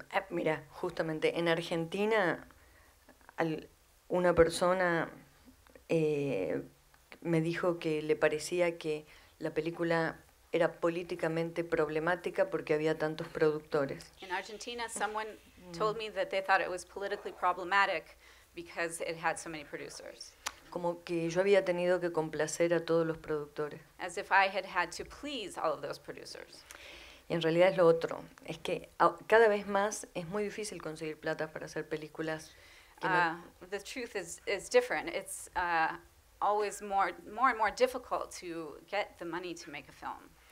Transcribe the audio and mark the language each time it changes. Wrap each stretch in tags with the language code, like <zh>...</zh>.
<es>Mira, justamente en Argentina, una persona me dijo que le parecía que la película era políticamente problemática porque había tantos productores.</es> <en>In Argentina, someone told me that they thought it was politically problematic because it had so many producers.</en> <es>Como que yo había tenido que complacer a todos los productores.</es> <en>As if I had had to please all of those producers.</en> <es>Y en realidad es lo otro. Es que cada vez más es muy difícil conseguir plata para hacer películas.</es> <en>The truth is different. It's always more and more difficult to get the money to make a film.</en>